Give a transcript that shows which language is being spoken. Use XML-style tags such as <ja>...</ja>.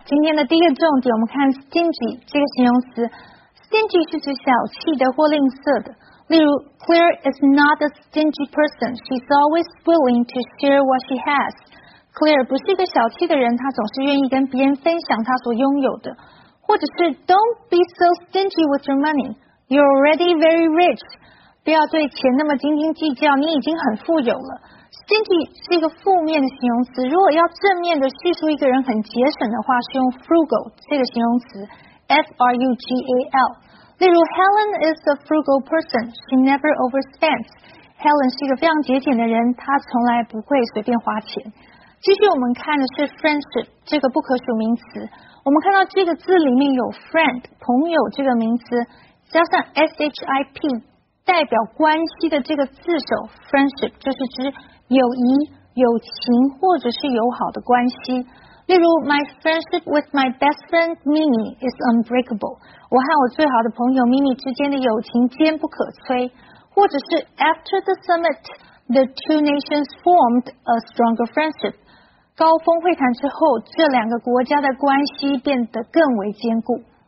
<zh>今天的第一个重点，我们看 stingy 这个形容词。Stingy 是指小气的或吝啬的。例如</zh> <en>,Claire is not a stingy person. She's always willing to share what she has.</en> <zh>Claire 不是一个小气的人，她总是愿意跟别人分享她所拥有的。或者是</zh> <en>,Don't be so stingy with your money. You're already very rich.</en> <zh>不要对钱那么斤斤计较，你已经很富有了。 Stingy 是一个负面的形容词，如果要正面的叙述一个人很节省的话，是用 frugal 这个形容词 ,F-R-U-G-A-L。例如</zh> <en>,Helen is a frugal person. She never overspends.</en> <zh>Helen 是一个非常节俭的人，她从来不会随便花钱。继续我们看的是 friendship, 这个不可数名词。我们看到这个字里面有 friend, 朋友这个名词加上 SHIP, 代表关系的这个字首 ,friendship, 就是指友谊、友情或者是友好的关系。例如</zh> <en>,my friendship with my best friend Mimi is unbreakable.</en> <zh>我和我最好的朋友 Mimi 之间的友情坚不可摧。或者是</zh> <en>,after the summit, the two nations formed a stronger friendship.</en> <zh>高峰会谈之后这两个国家的关系变得更为坚固。</zh>